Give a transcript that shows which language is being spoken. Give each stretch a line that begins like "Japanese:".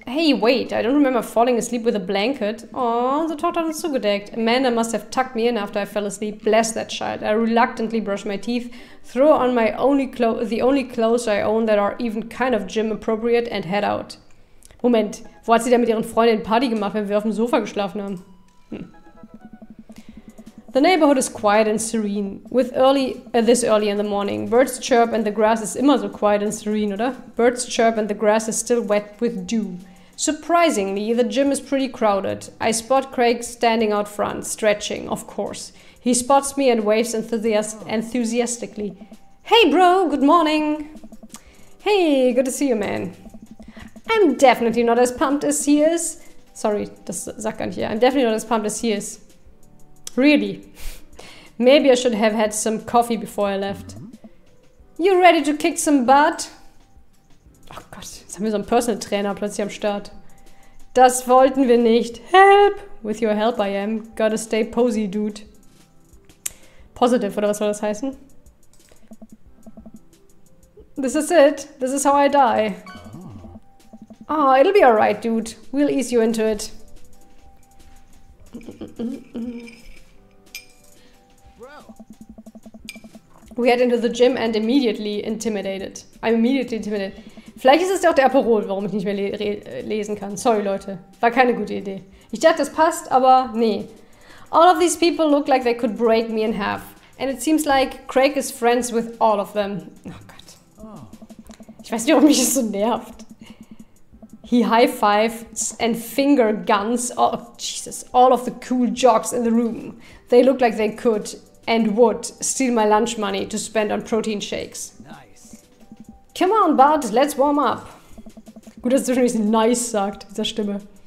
English: Hey, wait, I don't remember falling asleep with a blanket. Oh, the
German: Tochter hat uns zugedeckt.
English: Amanda must have tucked me in after I fell asleep. Bless that child. I reluctantly brush my teeth, throw on my only the only clothes I own that are even kind of gym appropriate and head out.
German: Moment, wo hat sie denn mit ihren Freundinnen Party gemacht, wenn wir auf dem Sofa geschlafen haben?
English: The neighborhood is quiet and serene. This early in the morning, birds chirp and the grass is immer so quiet and serene, oder? Birds chirp and the grass is still wet with dew. Surprisingly, the gym is pretty crowded. I spot Craig standing out front, stretching, of course. He spots me and waves enthusiastically. Hey bro, good morning! Hey, good to see you, man. I'm definitely not as pumped as he is.
German: Sorry, das sagt gar nicht hier.
English: I'm definitely not as pumped as he is. Really? Maybe I should have had some coffee before I left. You ready to kick some butt?
German: Oh Gott, jetzt haben wir so einen Personal Trainer plötzlich am Start. Das wollten wir nicht.
English: Help! With your help I am. Gotta stay posy, dude.
German: Positive, oder was soll das heißen?
English: This is it. This is how I die. Oh, it'll be alright, dude. We'll ease you into it. We head into the gym and immediately intimidated. I'm immediately intimidated.
German: Vielleicht ist es ja auch der Aperol, warum ich nicht mehr lesen kann. Sorry, Leute. War keine gute Idee. Ich dachte, das passt, aber nee. All of these people look like they could break me in half. And it seems like Craig is friends with all of them. Oh Gott. Ich weiß nicht, warum mich das so nervt.
English: He high-fives and finger guns. Oh, Jesus. All of the cool jocks in the room. They look like they could and would steal my lunch money to spend on protein shakes. Nice. Come on, bud, let's warm up.
German: Gut, dass zwischendurch nice sagt, dieser Stimme.